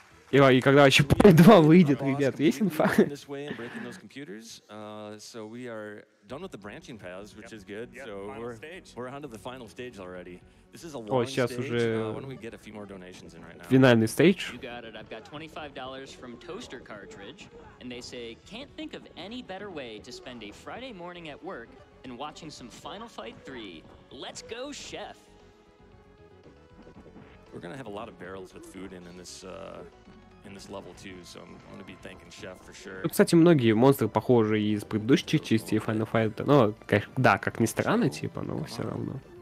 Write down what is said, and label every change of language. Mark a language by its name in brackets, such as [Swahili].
[Russian] И когда вообще Poe 2 выйдет, ребят, есть инфа? [English] So we are done with the branching paths, which is good. So we're on to the final stage already. This is a long stage. Why don't we get a few more donations in right now? [Russian] Финальный стейдж. [English] You got it. I've got $25 from Toaster Cartridge, and they say can't think of any better way to spend a Friday morning at work than watching some Final Fight 3. Let's go, Chef. We're gonna have a lot of barrels with food in this. In this level too, so I'm gonna be thanking Chef for sure. [Russian] Ну, кстати, многие монстры похожи из предыдущих частей Final Fight. Ну, да, как ни странно, типа, но все равно.